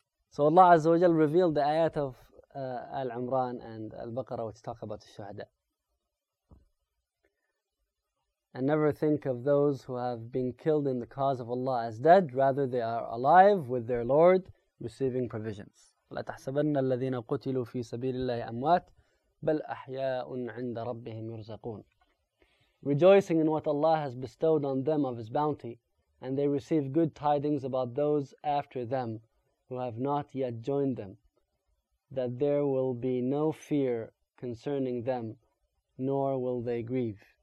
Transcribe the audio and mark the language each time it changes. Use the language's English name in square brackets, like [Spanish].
[English] So Allah Azza wa Jal revealed the ayat of Al-Imran and Al-Baqarah, which talk about the shuhada. "And never think of those who have been killed in the cause of Allah as dead, rather they are alive with their Lord receiving provisions." [Arabic] لا تحسبن الذين قتلوا في سبيل الله أموات بل أحياء عند ربهم يرزقون. [English] Rejoicing in what Allah has bestowed on them of His bounty, and they receive good tidings about those after them who have not yet joined them, that there will be no fear concerning them, nor will they grieve.